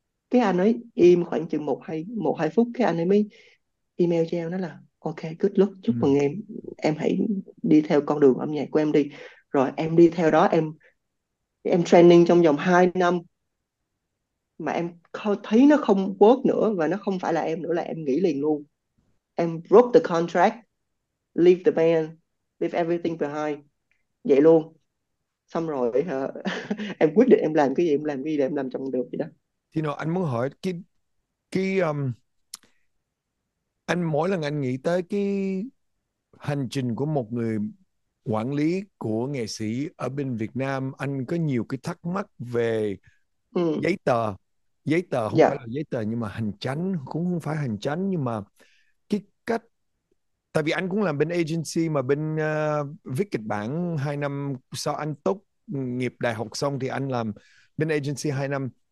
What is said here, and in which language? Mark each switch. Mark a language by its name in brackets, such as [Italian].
[Vietnamese] Cái anh ấy im khoảng chừng một hai phút, cái anh ấy mới email cho em, nói là [English] ok, good luck, [Vietnamese] chúc mừng em hãy đi theo con đường âm nhạc của em đi. Rồi em đi theo đó, em training trong vòng 2 năm mà em thấy nó không work nữa và nó không phải là em nữa, là em nghỉ liền luôn. [English] Em broke the contract, leave the band, leave everything behind. [Vietnamese] Vậy luôn. Xong rồi em quyết định em làm cái gì, em làm cái gì để em làm trong được vậy đó. Thì nào anh muốn hỏi anh mỗi lần anh nghĩ tới cái hành trình của một người quản lý của nghệ sĩ ở bên Việt Nam, anh có nhiều cái thắc mắc về giấy tờ không phải là giấy tờ nhưng mà hành chánh, cũng không phải hành chánh nhưng mà cái cách, tại vì anh cũng làm bên agency mà bên viết kịch bản 2 năm sau anh tốt nghiệp đại học xong thì anh làm bên agency 2 năm,